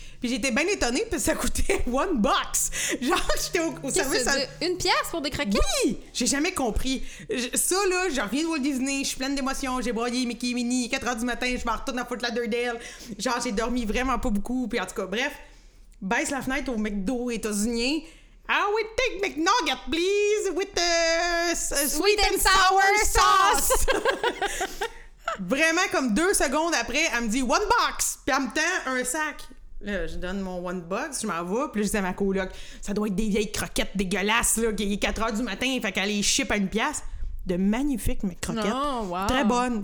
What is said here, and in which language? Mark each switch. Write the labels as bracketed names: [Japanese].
[French] Puis j'étais bien étonnée, parce que ça coûtait $1. Genre, j'étais au service... Ça... Une pièce pour des croquettes? Oui! J'ai jamais compris. Ça, là, je reviens de Walt Disney, je suis pleine d'émotions, j'ai broyé Mickey et Minnie, 4 heures du matin, je m'en retourne à Fort Lauderdale. Genre, j'ai dormi vraiment pas beaucoup. Puis en tout cas, bref, baisse la fenêtre au McDo états-unien. [English] « I will take McNugget, please, with the sweet and sour sauce! [French] » Vraiment, comme 2 secondes après, elle me dit « $1! » Puis elle me tend un sac. Là, je donne mon $1, je m'en vais. Puis là, je dis à ma coloc, ça doit être des vieilles croquettes dégueulasses, là, qui est 4 heures du matin, fait qu'elle les ship à une pièce. de magnifiques mes croquettes. [English] Oh, wow. [French] Très bonnes.